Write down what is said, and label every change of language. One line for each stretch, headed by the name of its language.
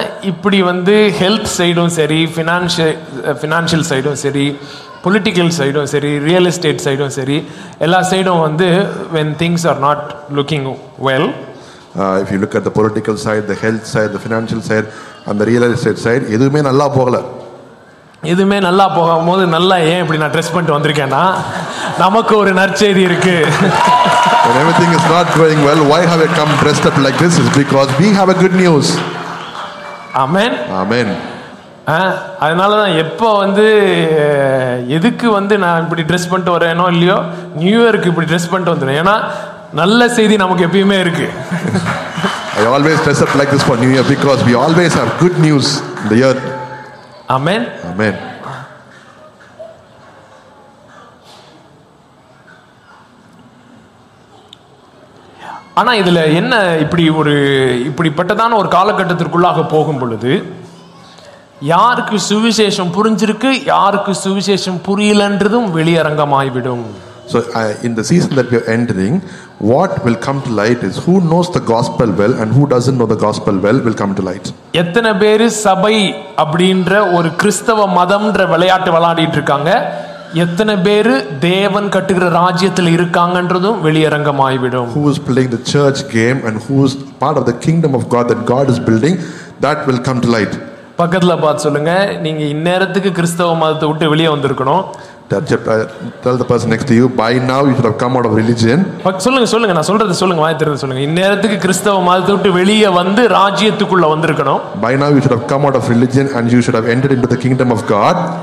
Tamil: இப்படி வந்து ஹெல்த் சைடும் சரி ஃபினான்ஷியல் சைடும் சரி பொலிட்டிக்கல் சைடும் சரி ரியல் எஸ்டேட் சைடும் சரி எல்லா சைடும் வந்து
English: when things are not looking well if you look at the political side the health side the financial side and the real estate side
Tamil: எதுவுமே நல்லா போகல. எதுவுமே நல்லா போகும் போது நல்லா ஏன் இப்படி நான் ட்ரெஸ் பண்ணிட்டு வந்திருக்கேன்னா நமக்கு ஒரு நற்செய்தி இருக்கு.
English: When everything is not going well, why have I come dressed up like this? It's because we have a good news. Amen. Amen.
Tamil: அதனால தான் எப்போ வந்து எதுக்கு வந்து நான் இப்படி ட்ரெஸ் பண்ணிட்டு வரேனோ இல்லையோ நியூ இயருக்கு இப்படி ட்ரெஸ் பண்ணிட்டு வந்துடுறேன். ஏன்னா நல்ல செய்தி நமக்கு எப்பயுமே இருக்கு.
English: I always dress up like this for New Year because we always have good news in the year. Amen. Amen.
Tamil: ஆனா இதுல என்ன இப்படி ஒரு இப்படிப்பட்டதான ஒரு காலகட்டத்திற்குள்ளாக போகும் பொழுது யாருக்கு சுவிசேஷம் புரிஞ்சிருக்கு யாருக்கு சுவிசேஷம் புரியலன்றதும் வெளியரங்கமாகிவிடும்.
English: So in the season that we are entering, what will come to light is who knows the gospel well and who doesn't know the gospel well will come to light.
Tamil: எத்தனை பேர் சபை அப்படிங்கற ஒரு கிறிஸ்தவ மதம்ன்ற விளையாட்டு விளையாடிட்டு இருக்காங்க எத்தனை பேர் தேவன் கட்டுகிற ராஜ்யத்தில் இருக்காங்கன்றதும் வெளியரங்கமாகிவிடும்.
English: Who is playing the church game and who is part of the kingdom of God that God is building, that will come to light.
Tamil: பக்கத்துல பார்த்து சொல்லுங்க நீங்க இந்நேரத்துக்கு கிறிஸ்தவ மதத்தை விட்டு வெளியே வந்திருக்கணும்.
English: Tell the person next to you, by now you should have come out of religion.
Tamil: சொல்லுங்க சொல்லுங்க நான் சொல்றது சொல்லுங்க வாய் திறந்து சொல்லுங்க இந்நேரத்துக்கு கிறிஸ்தவ மதத்தை விட்டு வெளியே வந்து ராஜ்யத்துக்குள்ள வந்திருக்கணும்.
English: By now you should have come out of religion and you should have entered into the kingdom of God.